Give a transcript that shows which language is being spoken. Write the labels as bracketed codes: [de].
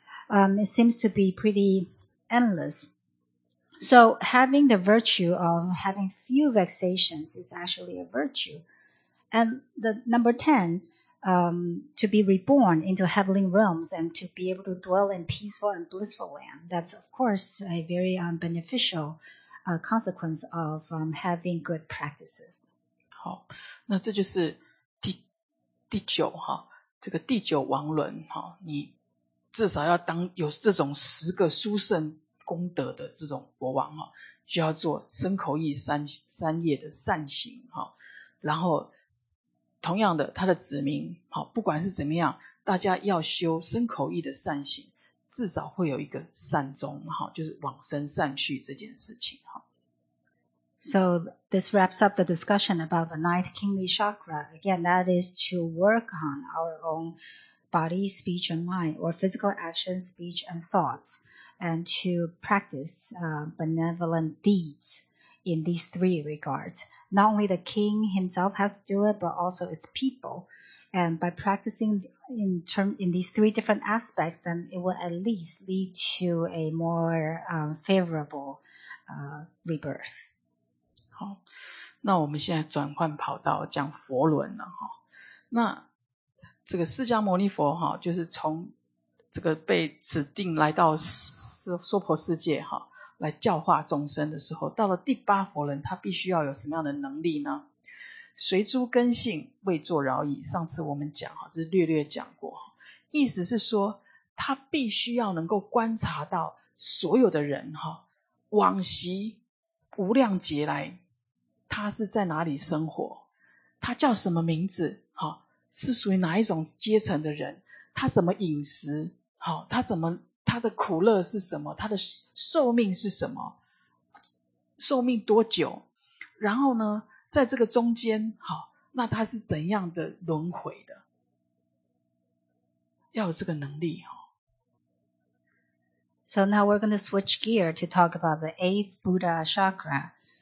[en] It seems to be pretty endless. So having the virtue of having few vexations is actually a virtue. And the number 10, to be reborn into heavenly realms and to be able to dwell in peaceful and blissful land. That's, of course, a very beneficial consequence of having good practices. [zh] 好，那这就是第九哈，这个第九王轮哈，你至少要当有这种十个殊胜功德的这种国王哈，就要做身口意三业的善行哈，然后同样的，他的子民好，不管是怎么样，大家要修身口意的善行，至少会有一个善终哈，就是往生善去这件事情哈。 [en] So this wraps up the discussion about the ninth kingly chakra. Again, that is to work on our own body, speech and mind, or physical action, speech and thoughts, and to practice benevolent deeds in these three regards. Not only the king himself has to do it, but also its people. And by practicing in these three different aspects, then it will at least lead to a more favorable rebirth. [zh] 好，那我们现在转换跑道讲佛轮了哈。那这个释迦牟尼佛哈，就是从这个被指定来到娑婆世界哈，来教化众生的时候，到了第八佛轮，他必须要有什么样的能力呢？随诸根性，未作饶矣。上次我们讲哈，是略略讲过，意思是说他必须要能够观察到所有的人哈，往昔无量劫来他是在哪里生活，他叫什么名字，是属于哪一种阶层的人，他怎么饮食，他的苦乐是什么，他的寿命是什么，寿命多久，然后呢在这个中间那他是怎样的轮回的，要有这个能力。 [en] So now we're going to switch gear to talk about the eighth Buddha chakra.